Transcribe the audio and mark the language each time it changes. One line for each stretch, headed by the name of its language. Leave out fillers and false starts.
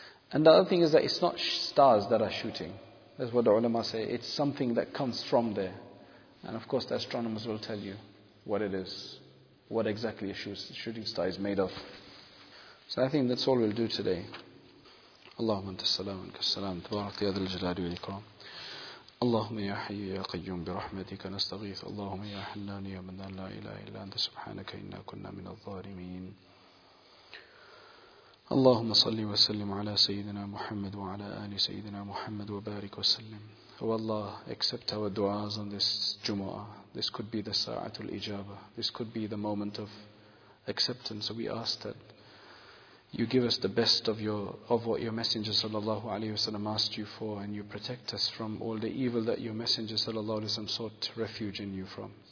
English: And the other thing is that it's not stars that are shooting. That's what the ulama say. It's something that comes from there. And of course the astronomers will tell you what it is. what exactly a shooting star is made of. So I think that's all we'll do today.
Arabic: اللهم انت السلام انك السلام تبارك يا ذا الجلال والاكرام اللهم يا حي يا قيوم برحمتك نستغيث اللهم يا حنان يا منان لا اله الا انت سبحانك انا كنا من الظالمين اللهم صل وسلم على سيدنا محمد وعلى ال سيدنا محمد وبارك وسلم والله
English: accept our du'as on this Jumu'ah. This could be the sa'atul ijaba. This could be the moment of acceptance. So we ask that You give us the best of what your Messenger sallallahu alaihi wasallam asked you for, and you protect us from all the evil that your Messenger sallallahu alaihi wasallam sought refuge in you from.